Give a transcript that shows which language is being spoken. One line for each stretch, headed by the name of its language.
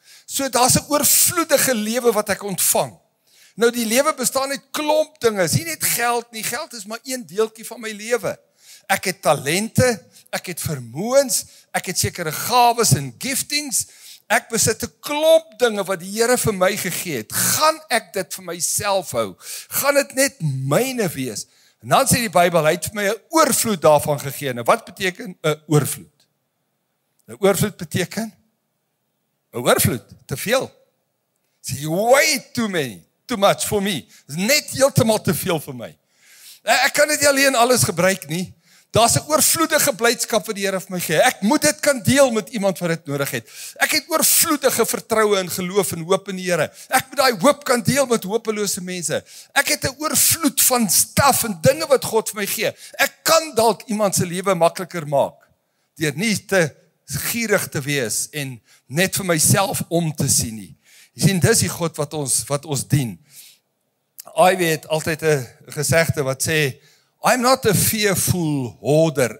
Afrikaans: So daar's 'n oorvloedige lewe wat ek ontvang. Nou die lewe bestaan uit klomp dinge, is nie net geld nie, geld is maar een deeltjie van my lewe. Ek het talente, ek het vermoëns, ek het sekere gawes en giftings. Ek besit 'n klomp dinge wat die Here vir my gegee het. Gaan ek dit vir myself hou? Gaan dit net myne wees? En dan sê die Bybel, hy het vir my 'n oorvloed daarvan gegee. En wat beteken 'n oorvloed? 'n Oorvloed beteken 'n oorvloed, te veel.
English: It's way too many, too much for me.
Afrikaans: Dis net heeltemal te veel vir my. Ek kan dit nie alleen alles gebruik nie. Daar's 'n oorvloedige blydskap wat die Here vir my gee. Ek moet dit kan deel met iemand wat dit nodig het. Ek het oorvloedige vertroue en geloof en hoop in die Here. Ek moet daai hoop kan deel met hopelose mense. Ek het 'n oorvloed van staf en dinge wat God vir my gee. Ek kan dalk iemand se lewe makliker maak deur nie te gierig te wees en net vir myself om te sien nie. Jy sien, dis die God wat ons dien. I weet altyd 'n gesegde wat sê,
English: I'm not a fearful hoarder.